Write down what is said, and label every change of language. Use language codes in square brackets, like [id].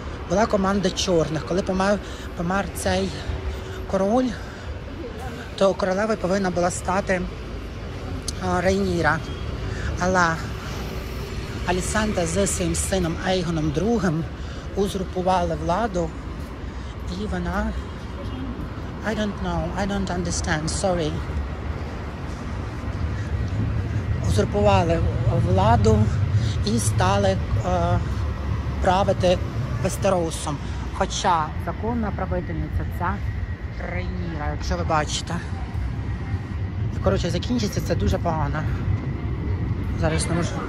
[uk] Була команда чорних. Коли помер цей король, то королевою повинна була стати Рейніра. Але Алісента зі своїм сином Ейгоном другим узурпували владу, і вона... [en] I don't know, I don't understand, sorry. [uk] Узурпували владу і стали правити Вестеросом. Хоча законна правительниця – це Рейніра, якщо ви бачите. Коротше, закінчиться це дуже погано. Зараз не можу...